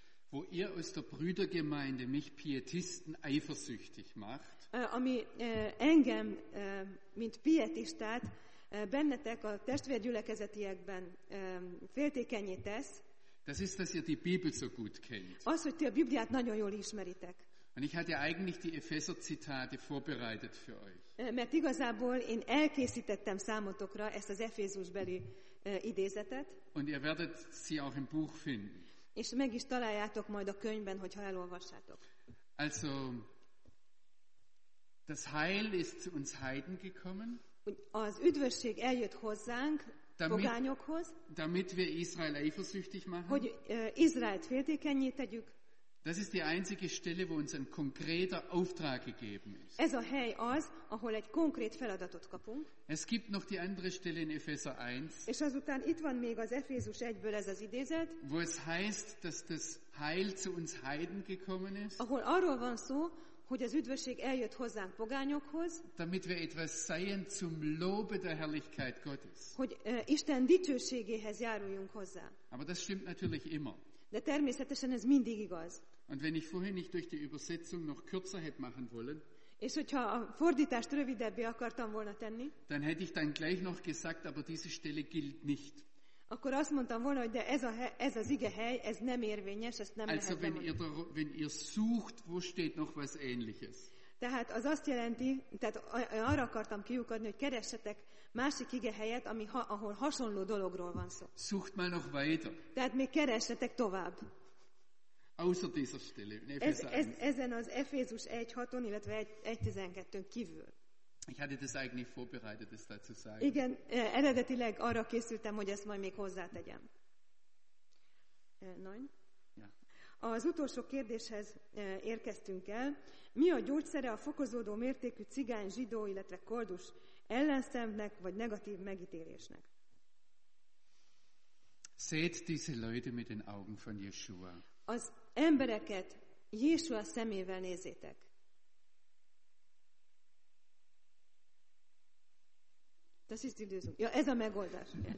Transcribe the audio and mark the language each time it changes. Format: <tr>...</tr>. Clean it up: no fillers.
<de>Wo ihr aus der Brüdergemeinde mich Pietisten eifersüchtig macht.</de> <hu>Ami engem, mint pietistát, bennetek a testvérgyülekezetiekben féltékenyé tesz.</hu> <de>Das ist, dass ihr die Bibel so gut kennt.</de> <hu>Az, hogy ti a Bibliát nagyon jól ismeritek.</hu> <de>Und ich hatte eigentlich die Epheser-Zitate vorbereitet für euch.</de> <hu>Mert igazából én elkészítettem számotokra ezt az Efézusbeli idézetet.</hu> <de>Und ihr werdet sie auch im Buch finden.</de> <hu>És meg is találjátok majd a könyvben, hogyha elolvassátok.</hu> <de>Also, das Heil ist zu uns Heiden gekommen.</de> <hu>Az üdvösség eljött hozzánk, pogányokhoz.</hu> <de>Damit wir Israel eifersüchtig machen.</de> <hu>Hogy Izraelt féltékenyé tegyük.</hu> <de>Das ist die einzige Stelle, wo uns ein konkreter Auftrag gegeben ist.</de> <hu>Ez a hely az, ahol egy konkrét feladatot kapunk.</hu> <de>Es gibt noch die andere Stelle in Epheser 1.</de> <hu>És azután itt van még az Efézus 1-ből ez az idézet.</hu> <de>Wo es heißt, dass das Heil zu uns Heiden gekommen ist.</de> <hu>Ahol arról van szó, hogy az üdvösség eljött hozzánk pogányokhoz.</hu> <de>Damit wir etwas seien zum Lobe der Herrlichkeit Gottes.</de> <hu>Hogy Isten dicsőségéhez járuljunk hozzá.</hu> <de>Aber das stimmt natürlich immer.</de> <hu>De természetesen ez mindig igaz.</hu> <de>Und wenn ich vorher nicht durch die Übersetzung noch kürzer hätte machen wollen,</de> <hu>és hogyha a fordítást rövidebbé akartam volna tenni,</hu> <de>dann hätte ich dann gleich noch gesagt, aber diese Stelle gilt nicht.</de> <hu>Akkor azt mondtam volna, hogy de ez az ige hely, ez nem érvényes, ezt nem lehet mondani.</hu> <de>Also wenn ihr sucht, wo steht noch was ähnliches.</de> <hu>Tehát az azt jelenti, tehát arra akartam kiukadni, hogy keressetek másik ige helyet, ahol hasonló dologról van szó.</hu> <de>Sucht mal noch weiter.</de> <hu>Tehát még keressetek tovább.</hu> <de>Außer dieser Stelle.</de> <hu>Ezen az Efézus 1.6-on, illetve 1.12-n kívül.</hu> <de>Ich hatte das eigentlich vorbereitet, das dazu sagen.</de> <hu>Igen, eredetileg arra készültem, hogy ezt majd még hozzátegyem.</hu> <de>Nein. Ja.</de> <hu>Az utolsó kérdéshez érkeztünk el. Mi a gyógyszere a fokozódó mértékű cigány, zsidó, illetve koldus ellenszemnek vagy negatív megítélésnek?</hu> <de>Seht diese Leute mit den Augen von Jeshua.</de> <hu>Az embereket Jeshua szemével nézzétek.</hu> <de>Das ist die Lösung. Ja,</de> <hu>ez a megoldás.</hu>